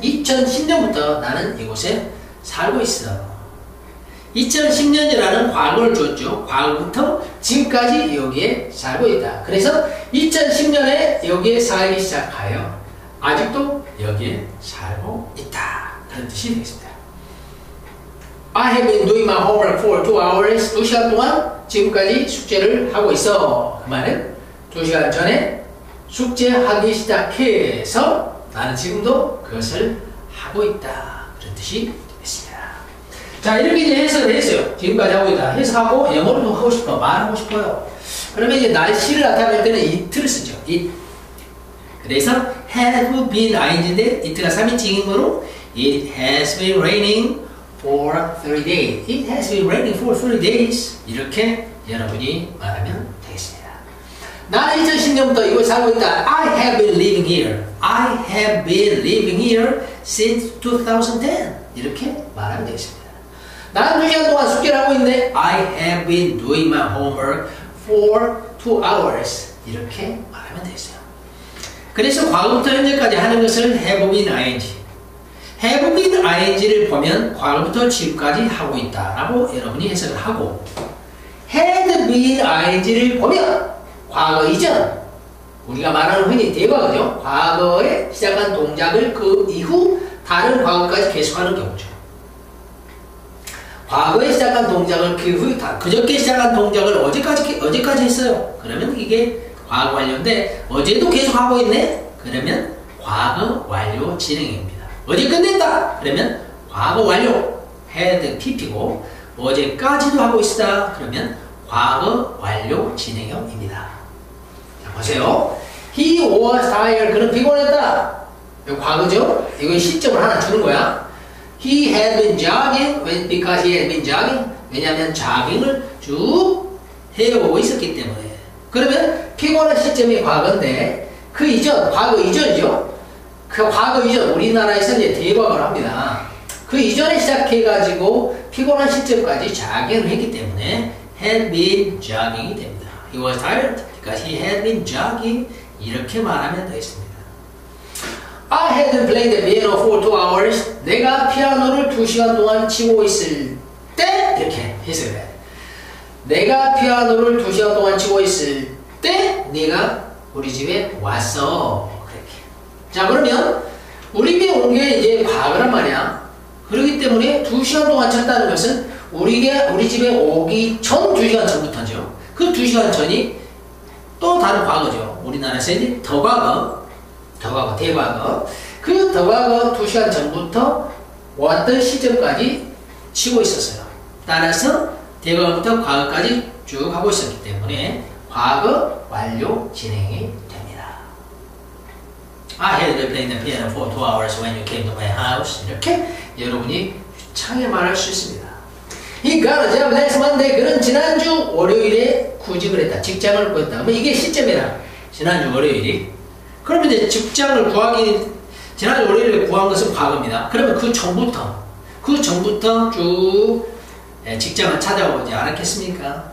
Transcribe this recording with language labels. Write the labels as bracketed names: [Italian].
[Korean] 2010년부터 나는 이곳에 살고 있어. 2010년이라는 과거를 줬죠. 과거부터 지금까지 여기에 살고 있다. 그래서 2010년에 여기에 살기 시작하여 아직도 여기에 살고 있다. 그런 뜻이 되겠습니다. [English] I have been doing my homework for 2 hours. [Korean] 2시간 동안 지금까지 숙제를 하고 있어. 그 말은 2시간 전에 숙제하기 시작해서 나는 지금도 그것을 하고 있다. 그런 뜻이 자 이렇게 이제 해석을 했어요. 지금까지 하고 있다. 해석하고 영어로도 하고 싶어 말하고 싶어요. 그러면 이제 날씨를 나타낼 때는 it를 쓰죠. [English] it. [Korean] 그래서 [English] have been ing인데 it가 3인칭으로 it has been raining for 3 days. it has been raining for 3 days. [Korean] 이렇게 여러분이 말하면 되겠습니다. 나는 2010년부터 이곳에 살고 있다. [English] I have been living here. I have been living here since 2010. [Korean] 이렇게 말하면 되겠습니다. 나는 2시간 동안 숙제를 하고 있네. [English] I have been doing my homework for 2 hours. [Korean] 이렇게 말하면 되겠어요. 그래서 과거부터 현재까지 하는 것을 have been ing. have been ing를 보면 과거부터 지금까지 하고 있다 라고 여러분이 해석을 하고 had been ing를 보면 과거 이전 우리가 말하는 흔히 대과거죠. 과거에 시작한 동작을 그 이후 다른 과거까지 계속하는 경우죠. 과거에 시작한 동작을 그 후 다 그저께 시작한 동작을 어제까지 했어요. 그러면 이게 과거 완료인데 어제도 계속 하고 있네. 그러면 과거 완료 진행입니다. 어제 끝냈다. 그러면 과거 완료 had pp고 어제까지도 하고 있다. 그러면 과거 완료 진행형입니다. 자, 보세요. [English] He was tired. [Korean] 그는 피곤했다. 이거 과거죠? 이건 시점을 하나 주는 거야. [English] He had been jogging because he had been jogging. [Korean] 왜냐하면 jogging을 쭉 해오고 있었기 때문에. 그러면 피곤한 시점이 과거인데 그 이전, 과거 이전이죠. 그 과거 이전 우리나라에서 이제 대과거를 합니다. 그 이전에 시작해가지고 피곤한 시점까지 jogging을 했기 때문에 had been jogging이 됩니다. [English] He was tired because he had been jogging. [Korean] 이렇게 말하면 되겠습니다. [English] I had been playing the piano for 2 hours. [Korean] 내가 피아노를 2시간 동안 치고 있을 때 이렇게 해석해. 내가 피아노를 2시간 동안 치고 있을 때 네가 우리 집에 왔어. 그렇게. 자 그러면 우리 집에 온 게 이제 과거란 말이야. 그렇기 때문에 2시간 동안 쳤다는 것은 우리 집에 오기 전 2시간 전부터죠. 그 2시간 전이 또 다른 과거죠. 우리나라에서 이제 더 과거. 더과거, 대과거. 그 더과거 2시간 전부터 왔던 시점까지 치고 있었어요. 따라서 대과거부터 과거까지 쭉 하고 있었기 때문에 과거 완료 진행이 됩니다. [English] I had been playing the piano for 2 hours when you came to my house. [Korean] 이렇게 여러분이 유창하게 말할 수 있습니다. [English] He got a job last Monday. [Korean] 그는 지난주 월요일에 구직을 했다. 직장을 구했다. 그럼 이게 시점이라. 지난주 월요일이. 그러면 이제 직장을 구하기, 지난 월요일에 구한 것은 과거입니다. 그러면 그 전부터 쭉 직장을 찾아오지 않았겠습니까?